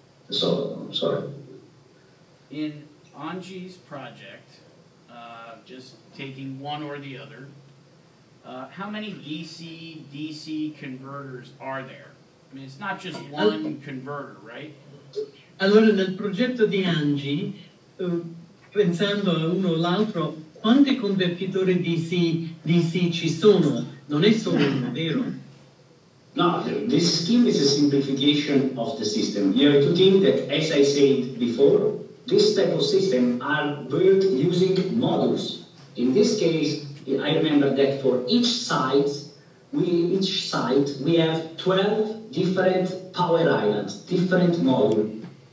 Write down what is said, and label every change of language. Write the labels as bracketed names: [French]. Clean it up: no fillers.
[English] So, sorry. In Angie's project, just taking one or the other, how many DC-DC converters are there? I mean, it's not just one converter, right? [Italian] Allora, nel progetto di Angie, pensando a uno o l'altro, quanti convertitori DC ci sono? Non è solo uno, vero? [English] No, this scheme is a simplification of the system. You have to think that, as I said before, this type of system are built using modules. In this case, I remember that for each site, we have 12 different power islands, different modules.